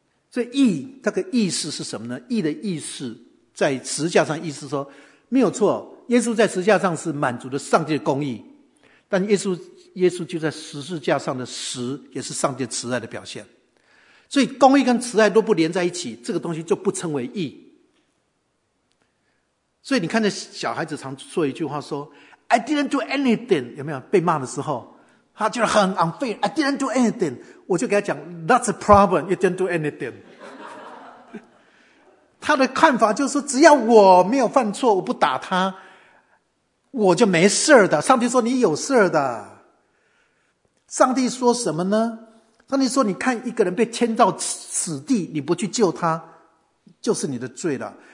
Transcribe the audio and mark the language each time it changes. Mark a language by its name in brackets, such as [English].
[Chinese] 所以义，这个意思是什么呢？义的意思在十字架上意思说，没有错，耶稣在十字架上是满足了上帝的公义，但耶稣就在十字架上的十也是上帝慈爱的表现。所以公义跟慈爱都不连在一起，这个东西就不称为义。所以你看，这小孩子常说一句话说 [English] I didn't do anything， [Chinese] 有没有？被骂的时候他觉得很 unfair， [English] I didn't do anything。 [Chinese] 我就给他讲 [English] That's a problem, you didn't do anything。 [Chinese] 他的看法就是只要我没有犯错，我不打他，我就没事的。上帝说你有事的。上帝说什么呢？上帝说你看一个人被牵到死地，你不去救他，就是你的罪了。